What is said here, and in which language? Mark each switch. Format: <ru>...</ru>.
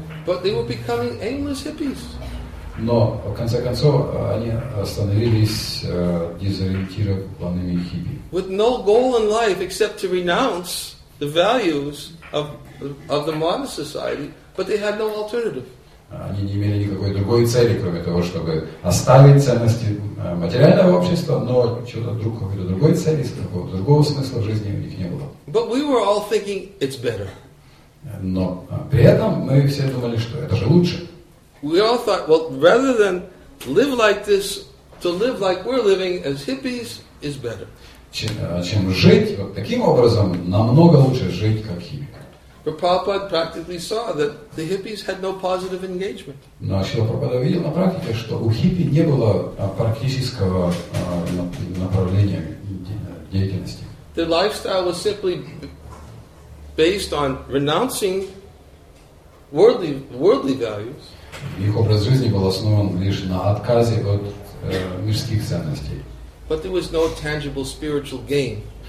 <en>But they were becoming aimless hippies.</en> <ru>Но в конце концов они становились дезориентированными хиппи.</ru> <en>With no goal in life except to renounce the values of the modern society, but they had no alternative.</en> <ru>Они не имели никакой другой цели, кроме того, чтобы оставить ценности материального общества, но что-то какой-то другой цели, какого-то другого смысла в жизни у них не было.</ru> <en>But we were all thinking it's better.</en> <ru>Но при этом мы все думали, что это же лучше.</ru> <en>We all thought, well, rather than live like this, to live like we're living as hippies is better.</en> <ru>Чем жить вот таким образом, намного лучше жить как хиппи.</ru> <en>But Prabhupada practically saw that the hippies had no positive engagement.</en> <ru>Но Шрила Прабхупада видел на практике, что у хиппи не было практического направления деятельности.</ru> <en>Their lifestyle was simply based on renouncing worldly values.</en> <ru>Их образ жизни был основан лишь на отказе от мирских ценностей.</ru> <en>But there was no tangible spiritual gain.</en>